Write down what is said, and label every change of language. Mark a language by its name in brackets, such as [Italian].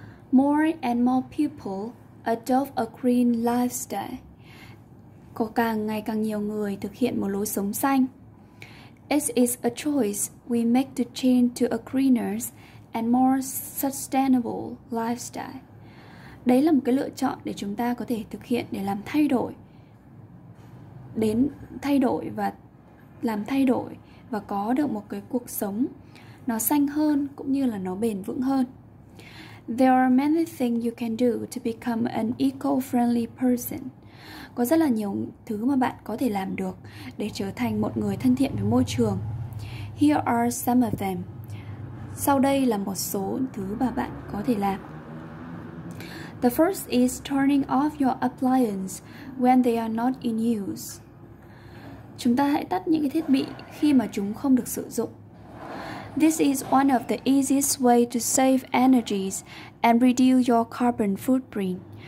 [English] More and more people adopt a green lifestyle. [Vietnamese] Có càng ngày càng nhiều người thực hiện một lối sống xanh. [English] It is a choice we make to change to a greener and more sustainable lifestyle. [Vietnamese] Đấy là một cái lựa chọn để chúng ta có thể thực hiện để làm thay đổi. Đến thay đổi và làm thay đổi và có được một cái cuộc sống nó xanh hơn cũng như là nó bền vững hơn. [English] There are many things you can do to become an eco-friendly person. [Vietnamese] Có rất là nhiều thứ mà bạn có thể làm được để trở thành một người thân thiện với môi trường. [English] Here are some of them. [Vietnamese] Sau đây là một số thứ mà bạn có thể làm. [English] The first is turning off your appliances when they are not in use. [Vietnamese] Chúng ta hãy tắt những cái thiết bị khi mà chúng không được sử dụng. [English] This is one of the easiest way to save energies and reduce your carbon footprint.